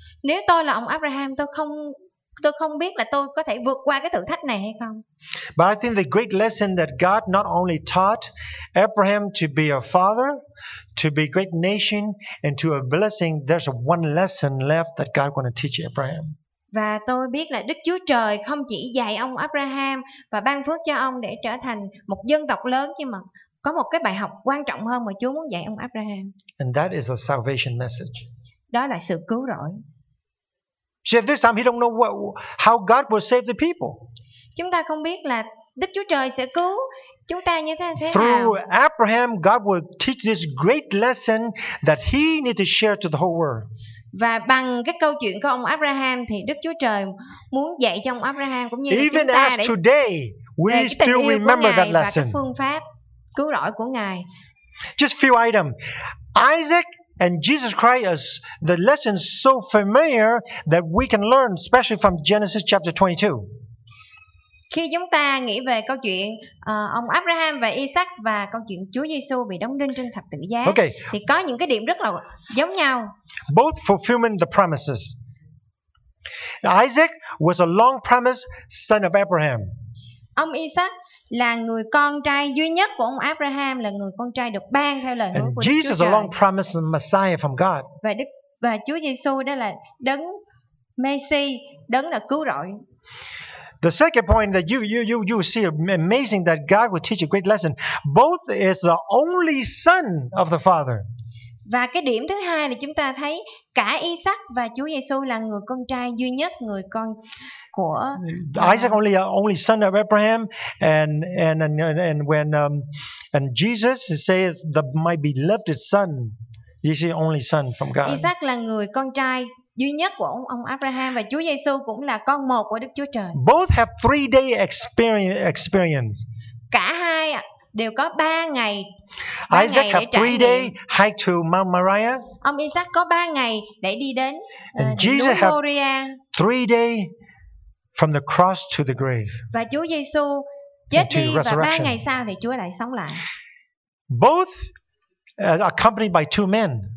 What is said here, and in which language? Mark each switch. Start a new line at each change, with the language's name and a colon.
Vietnamese: Nếu tôi là ông Abraham, tôi không biết là tôi có thể vượt qua cái thử thách này hay không.
English: But I think the great lesson that God not only taught Abraham to be a father, to be a great nation and to a blessing, there's one lesson left that God going to teach Abraham.
Vietnamese: Và tôi biết là Đức Chúa Trời không chỉ dạy ông Abraham và ban phước cho ông để trở thành một dân tộc lớn nhưng mà có một cái bài học quan trọng hơn mà Chúa muốn dạy ông Abraham.
English: And that is a salvation message.
Vietnamese: Đó là sự cứu rỗi.
English: See, at this time he don't know how God will save the people.
Vietnamese: Chúng ta không biết là Đức Chúa Trời sẽ cứu chúng ta như thế nào.
English: Through Abraham God will teach this great lesson that he need to share to the whole world.
Vietnamese: Và bằng cái câu chuyện của ông Abraham thì Đức Chúa Trời muốn dạy cho ông Abraham cũng như
English: even
Vietnamese: chúng ta
English: as today, we
Vietnamese: về cái tình
English: still
Vietnamese: yêu
English: remember
Vietnamese: của Ngài
English: that lesson.
Vietnamese: Và cái phương pháp cứu rỗi của Ngài.
English: Just few items. Isaac and Jesus Christ is the lesson so familiar that we can learn especially from Genesis chapter 22.
Vietnamese: Khi chúng ta nghĩ về câu chuyện ông Abraham và Isaac và câu chuyện Chúa Giêsu bị đóng đinh trên thập tự giá,
English: okay,
Vietnamese: thì có những cái điểm rất là giống nhau.
English: Both fulfilling the promises. Isaac was a long promised son of Abraham.
Vietnamese: Ông Isaac là người con trai duy nhất của ông Abraham, là người con trai được ban theo lời hứa của Chúa.
English: And Jesus is a long promised Messiah from God.
Vietnamese: Và Chúa Giêsu đó là đấng Messi, đấng là cứu rỗi.
English: The second point that you see amazing that God would teach a great lesson. Both is the only son of the Father.
Vietnamese: Và cái điểm thứ hai là chúng ta thấy cả Isaac và Chúa Giêsu là người con trai duy nhất, người con của
English: Isaac only son of Abraham and when Jesus says that my beloved son, he's the only son from God.
Vietnamese: Isaac là người con trai duy nhất của ông Abraham và Chúa Giêsu cũng là con một của Đức Chúa Trời.
English: Both have 3-day experience.
Vietnamese: Cả hai đều có 3 ngày.
English: Isaac have 3-day hike to Mount Moriah.
Vietnamese: Ông Isaac có 3 ngày để đi đến Jesus núi Moria.
English: 3-day from the cross to the grave.
Vietnamese: Và Chúa Giêsu chết đi và 3 ngày sau thì Chúa lại sống lại.
English: Both accompanied by 2 men.